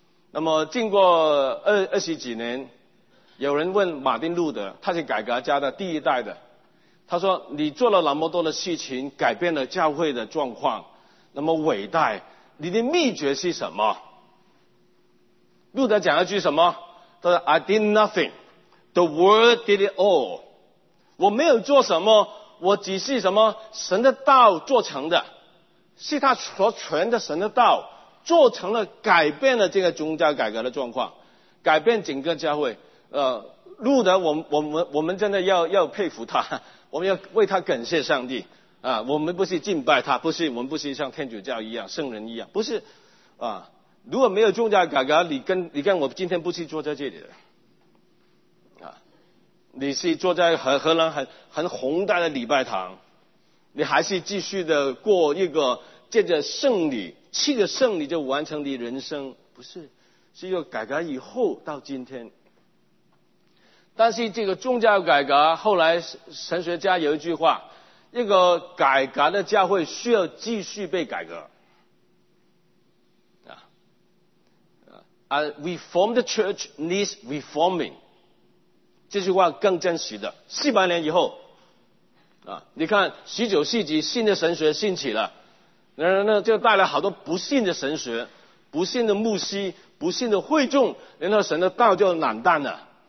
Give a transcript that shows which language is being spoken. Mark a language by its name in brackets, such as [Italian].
[Chinese] 那么经过二十几年，有人问马丁路德，他是改革家的第一代的，他说你做了那么多的事情，改变了教会的状况那么伟大，你的秘诀是什么？路德讲了句什么？他说 [English] I did nothing, the word did it all。 [Chinese] 我没有做什么，我只是什么？神的道做成的，是他所传的神的道做成了，改变了这个宗教改革的状况，改变整个教会。路德，我们真的要佩服他，我们要为他感谢上帝啊！我们不是敬拜他，不是，我们不是像天主教一样、圣人一样，不是啊！如果没有宗教改革，你跟我今天不是坐在这里的啊，你是坐在荷兰很宏大的礼拜堂，你还是继续的过一个借着圣礼，七个圣礼就完成你人生，不是？是一个改革以后到今天。但是这个宗教改革，后来神学家有一句话，一个改革的教会需要继续被改革。 [English] A reformed church needs reforming. [Chinese] 这句话更真实的，400年以后，你看19世纪新的神学兴起了，那就带来好多不信的神学、不信的牧师、不信的会众，然后神的道就冷淡了。